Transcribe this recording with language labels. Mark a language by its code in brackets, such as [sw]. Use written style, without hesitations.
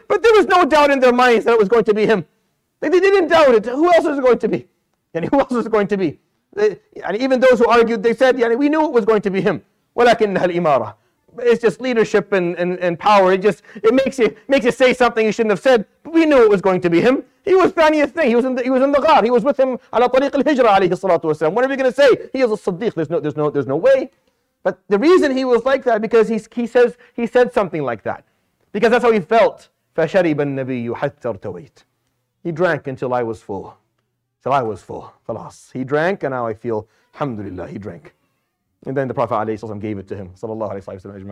[en] But there was no doubt in their minds that it was going to be him. They didn't doubt it. Who else is it going to be? And even those who argued, they said, we knew it was going to be him. [ar] وَلَكِنَّهَا الْإِمَارَةِ. [en] It's just leadership and power. It makes you say something you shouldn't have said. But we knew it was going to be him. He was Thaniyah thing. He was in the ghar. He was with him [ar] على طريق الهجرة عليه الصلاة والسلام. [en] What are we going to say? He is a Siddiq. There's no way. But the reason he was like that, because he said something like that. Because that's how he felt. [ar] فَشَرِبَ النَّبِيُّ حَتَّى ارْتَوَيْتِ. [en] He drank until I was full. Khalas. He drank, and now I feel, alhamdulillah, he drank. And then the Prophet ﷺ gave it to him. Sallallahu alayhi wa sallam.